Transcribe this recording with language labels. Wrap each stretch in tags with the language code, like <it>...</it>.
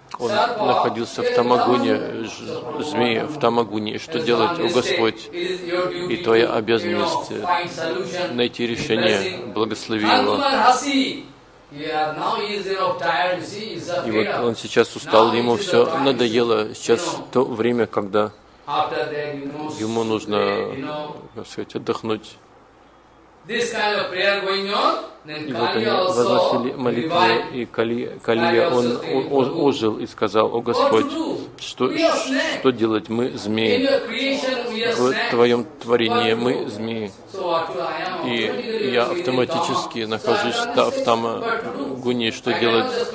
<ru>Он находился в Тамагуне, змеи в Тамагуне, что делать, о Господь, и твоя обязанность найти решение, благослови его. И вот он сейчас устал, ему все надоело, сейчас то время, когда ему нужно, так сказать, отдохнуть.</ru> <en>This kind of prayer going on, then Kali also revived.</en> <ru>И вот они возносили молитвы, и Калия, он ожил и сказал: «О Господь, что делать? Мы змеи. В твоем творении мы змеи. И я автоматически нахожусь в Тамагуне. Что делать?</ru>